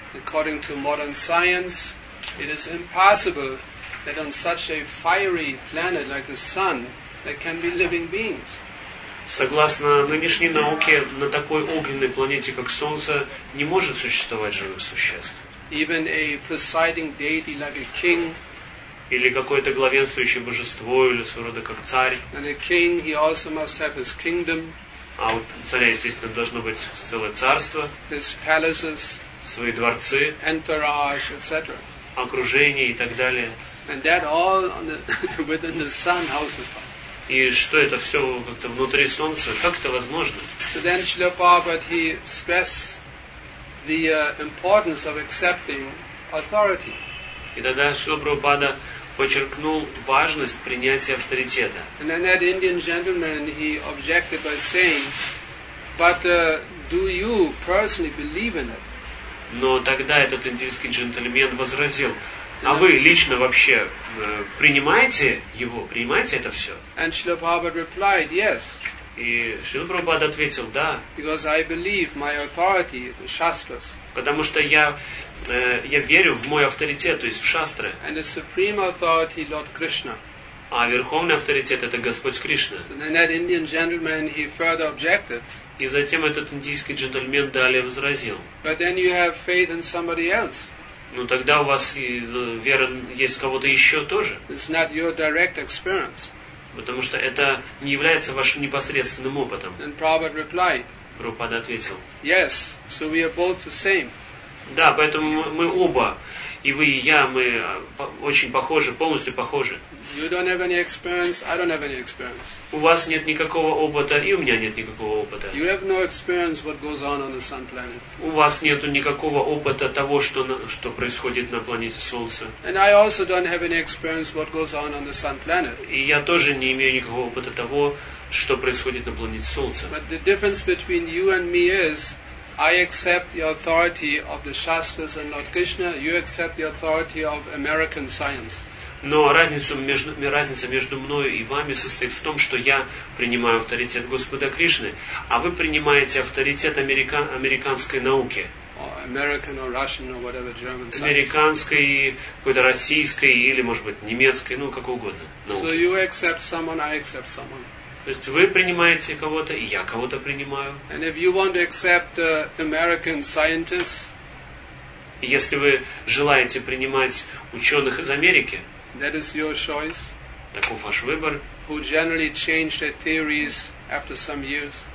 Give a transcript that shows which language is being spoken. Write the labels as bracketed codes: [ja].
[en] According to modern science, it is impossible that on such a fiery planet like the Sun, there can be living beings. [ru] Согласно нынешней науке, на такой огненной планете, как Солнце, не может существовать живых существ. [en] Even a presiding deity like a king, [ru] или какое-то главенствующее божество, или своего рода как царь. [en] And a king, he also must have his kingdom. [ru] А у царя, естественно, должно быть целое царство. [en] His palaces, [ru] свои дворцы, [en] entourage, etc. [ru] Окружение и так далее. [en] And that all on the, within the sun houses. [ru] И что это все как-то внутри солнца? Как это возможно? [en] So then Srila Prabhupada, he stressed the importance of accepting authority. [ru] И тогда Шрила Прабхупада подчеркнул важность принятия авторитета. [en] And then that Indian gentleman, he objected by saying, but do you personally believe in it? [ru] Но тогда этот индийский джентльмен возразил, а вы лично вообще принимаете его, принимаете это все? [en] And Srila Prabhupada replied, yes. [ru] И Шрила Прабхупада ответил, да. [en] Because I believe my authority, the shastras. [ru] Потому что я верю в мой авторитет, то есть в шастры. [en] And the supreme authority, Lord Krishna. [ru] А верховный авторитет это Господь Кришна. [en] And then that Indian gentleman, he further objected. [ru] И затем этот индийский джентльмен далее возразил. [en] But then you have faith in somebody else. [ru] Ну тогда у вас и вера есть кого-то еще тоже. [en] It's not your direct experience. [ru] Потому что это не является вашим непосредственным опытом. [en] And Prabhupada replied. [ru] Прабхупада ответил. [en] Yes, so we are both the same. [ru] Да, поэтому мы оба, и вы, и я, мы очень похожи, полностью похожи. [en] You don't have any experience, I don't have any experience. [ru] У вас нет никакого опыта, и у меня нет никакого опыта. [en] You have no experience what goes on the sun planet. [ru] У вас нет никакого опыта того, что происходит на планете Солнце. [en] And I also don't have any experience what goes on the sun planet. [ru] И я тоже не имею никакого опыта того, что происходит на планете Солнце. [en] But the difference between you and me is I accept the authority of the Shastras and Lord Krishna, you accept the authority of American science. [ru] Но разница между мною и вами состоит в том, что я принимаю авторитет Господа Кришны, а вы принимаете авторитет американской науки. [en] Or American or Russian or whatever German science. [ru] Американской, какой-то российской или, может быть, немецкой, ну, как угодно. Науки. [en] So you accept someone, I accept someone. [ru] То есть вы принимаете кого-то, и я кого-то принимаю. [en] And if you want to accept American scientists, [ru] если вы желаете принимать ученых из Америки, [en] that is your choice. [ru] таков ваш выбор. [en] Who generally change their theories after some years.